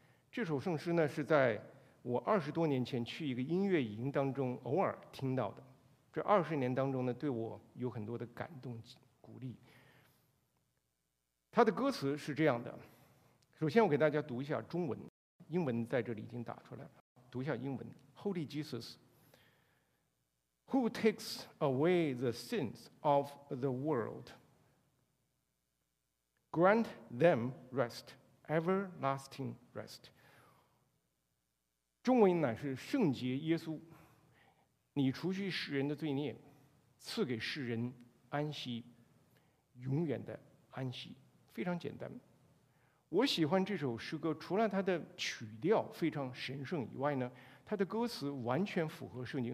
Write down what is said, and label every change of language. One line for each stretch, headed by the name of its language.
Chinese: 这首圣诗呢，是在我20多年前去一个音乐营当中偶尔听到的。这20年当中呢，对我有很多的感动、鼓励。他的歌词是这样的，首先我给大家读一下中文，英文在这里已经打出来了，读一下英文。
English: Holy Jesus, who takes away the sins of the world, grant them rest, everlasting rest.
Chinese: 中文乃是圣洁耶稣，你除去世人的罪孽，赐给世人安息，永远的安息。非常简单，我喜欢这首诗歌，除了它的曲调非常神圣以外呢，它的歌词完全符合圣经。